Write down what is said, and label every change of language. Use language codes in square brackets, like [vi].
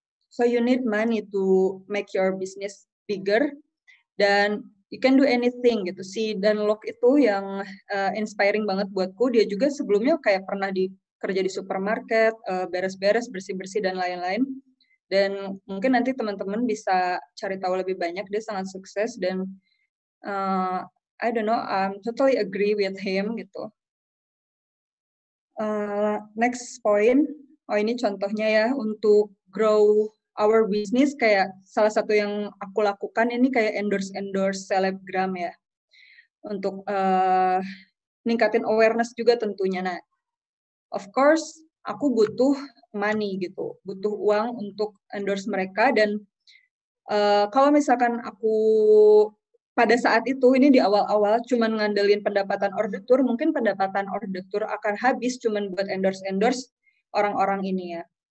[en] So you need money to make your business bigger, dan you can do anything gitu. [id] Si Dan Locke itu yang inspiring banget buatku. Dia juga sebelumnya kayak pernah kerja di supermarket, beres-beres, bersih-bersih dan lain-lain. Dan mungkin nanti teman-teman bisa cari tahu lebih banyak. Dia sangat sukses dan [en] I don't know, I'm totally agree with him [id] gitu. [en] Next point, [id] oh ini contohnya ya, untuk [en] grow our business, [id] kayak salah satu yang aku lakukan ini kayak endorse-endorse selebgram ya, untuk ningkatin awareness juga tentunya. Nah, of course, aku butuh money gitu, butuh uang untuk endorse mereka, dan kalau misalkan aku pada saat itu, ini di awal-awal, cuman ngandelin pendapatan order tour, mungkin pendapatan order tour akan habis cuman buat endorse-endorse orang-orang ini ya.